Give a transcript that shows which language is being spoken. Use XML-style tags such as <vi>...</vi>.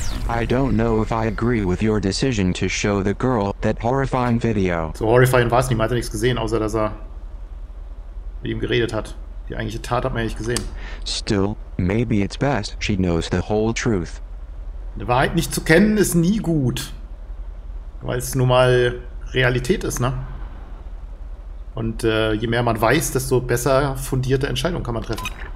<en>I don't know if I agree with your decision to show the girl that horrifying video.</en> <de>So horrifying war es nicht, man hat nichts gesehen, außer dass er mit ihm geredet hat. Die eigentliche Tat hat man ja nicht gesehen.</de> <en>Still, maybe it's best she knows the whole truth.</en> <de>Die Wahrheit nicht zu kennen ist nie gut, weil es nun mal Realität ist, ne? Und je mehr man weiß, desto besser fundierte Entscheidungen kann man treffen.</de>